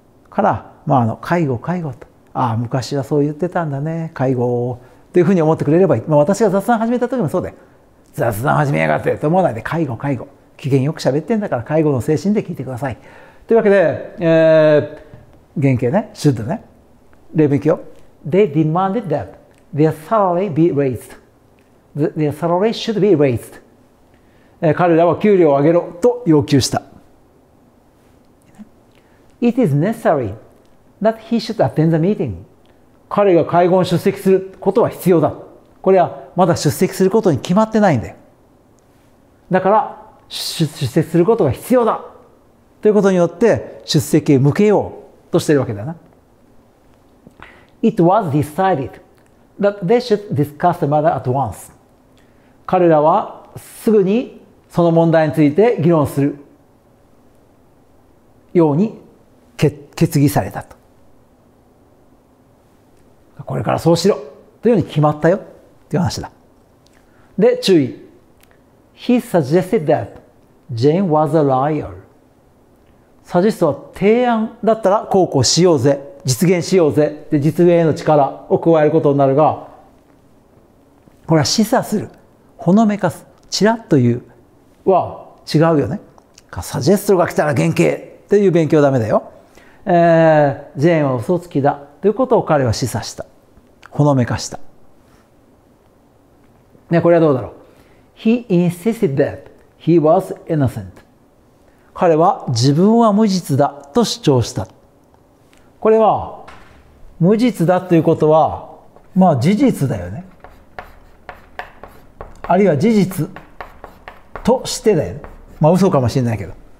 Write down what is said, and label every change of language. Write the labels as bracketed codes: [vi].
[ja] から、まあ、あの介護介護と、ああ昔はそう言ってたんだね介護というふうに思ってくれればいい、まあ、私が雑談始めた時もそうで、雑談始めやがってと思わないで介護介護、機嫌よく喋ってんだから介護の精神で聞いてくださいというわけで、原型ね、シュッドね、例文いくよ。 [en] They demanded that their salary be raised. Their salary should be raised. [ja] 彼らは給料を上げろと要求した。 [en] It is necessary that he should attend the meeting. [ja] 彼が会合に出席することは必要だ。これはまだ出席することに決まってないんだよ。だから出席することが必要だということによって出席を向けようとしているわけだな。 [en] It was decided that they should discuss the matter at once. [ja] 彼らはすぐにその問題について議論するように決議されたと。これからそうしろというように決まったよという話だ。で、注意。 [en] He suggested that Jane was a liar. [ja] サジストは提案だったらこうこうしようぜ、実現しようぜ、で実現への力を加えることになるが、これは示唆する、ほのめかす、ちらっと言うは違うよね。サジェストが来たら原型っていう勉強はダメだよ。ジェーンは嘘つきだということを彼は示唆した。ほのめかした。ね、これはどうだろう。 [en] He insisted that he was innocent. [ja] 彼は自分は無実だと主張した。これは無実だということは、まあ事実だよね。あるいは事実としてだよね。まあ嘘かもしれないけど。